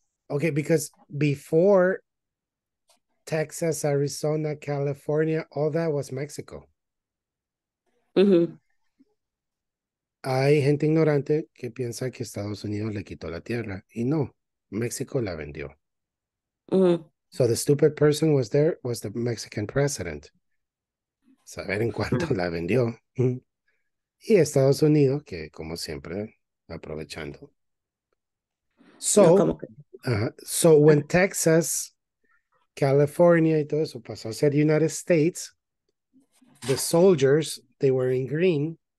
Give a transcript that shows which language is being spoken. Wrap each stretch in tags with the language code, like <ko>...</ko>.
<en>Okay, because before Texas, Arizona, California, all that was Mexico. Mm-hmm.</en> <es>Hay gente ignorante que piensa que Estados Unidos le quitó la tierra. Y no, México la vendió. Mm-hmm.</es> <en>So the stupid person was there was the Mexican president.</en> <es>Saber en cuánto la vendió. Y Estados Unidos, que como siempre, aprovechando.</es> <en>So when Texas, California</en> <es>y todo eso pasó a ser</es> <en>United States, the soldiers, they were in green.</en>